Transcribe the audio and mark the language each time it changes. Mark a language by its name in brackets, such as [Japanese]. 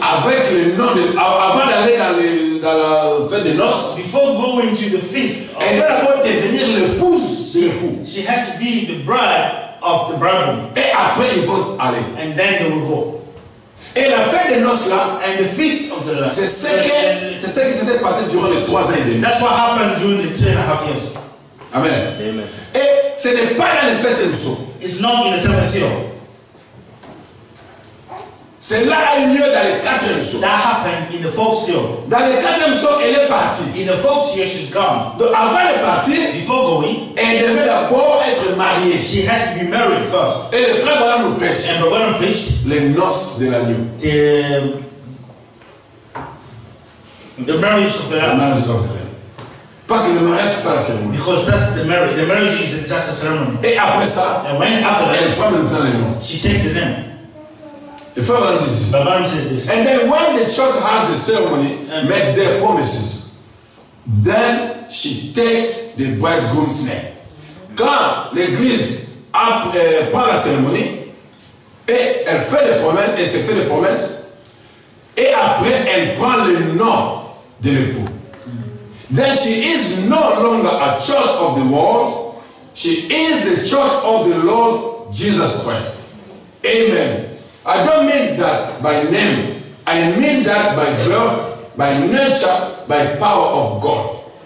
[French] avec le nom de, avant d'aller dans la fête des noces, [English] before going to the feast, [French] elle doit d'abord devenir l'épouse de l'époux. [English] She has to be the bride of the bridegroom. [French] Et après il faut aller. [English] And then they will go. [French] Et la fête des noces là, [English] and the feast of the lamb, [French] c'est ce qui s'était passé durant les 3 ans et demi. [English] That's what happened during the 3.5 years. [French] Amen. [English] Amen. [French] Et ce n'est pas dans le septième jour. [English] It's not in the seventh seal. [French] Cela a eu lieu dans le quatrième jour. [English] That happened in the fourth seal. [French] Dans le quatrième jour, elle est partie. [English] In the fourth seal, she's gone. [French] Donc avant de partir, [English] before going, [French] elle devait d'abord être mariée. [English] She has to be married first. [French] Et le frère Branham nous prêche. [English] And Branham preached [French] les noces de l'agneau. [English] The marriage of the lamb. The marriage of the lamb. [French] Parce que le mariage c'est ça la cérémonie. [English] Because that's the marriage. The marriage is just a ceremony. [French] Et après ça, [English] and when after that, [French] elle prend maintenant les noms. [English] She takes the name. The father says this. And then when the church has the ceremony, and makes their promises, then she takes the bridegroom's name. [French] Quand l'église a prend la cérémonie, et elle fait des promesses, et se fait des promesses, et après elle prend le nom de l'époux. [English] Then she is no longer a church of the world, she is the church of the Lord Jesus Christ. Amen. I don't mean that by name. I mean that by birth, by nature, by power of God.